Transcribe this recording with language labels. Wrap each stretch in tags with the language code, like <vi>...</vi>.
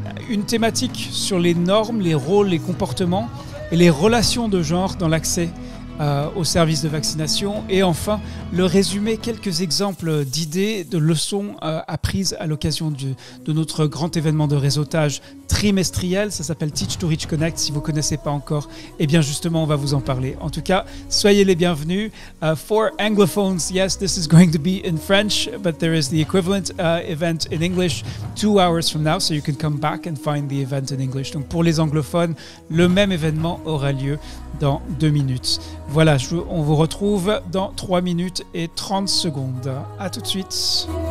<fr>Une thématique sur les normes, les rôles, les comportements et les relations de genre dans l'accès aux services de vaccination. Et enfin, le résumé, quelques exemples d'idées, de leçons apprises à l'occasion de notre grand événement de réseautage trimestriel. Ça s'appelle Teach to Reach Connect, si vous ne connaissez pas encore. Eh bien, justement, on va vous en parler. En tout cas, soyez les bienvenus.</fr> <en>For Anglophones, yes, this is going to be in French, but there is the equivalent event in English 2 hours from now, so you can come back and find the event in English.</en> <fr>Donc, pour les anglophones, le même événement aura lieu dans 2 minutes. Voilà, on vous retrouve dans 3 minutes et 30 secondes. À tout de suite.</fr>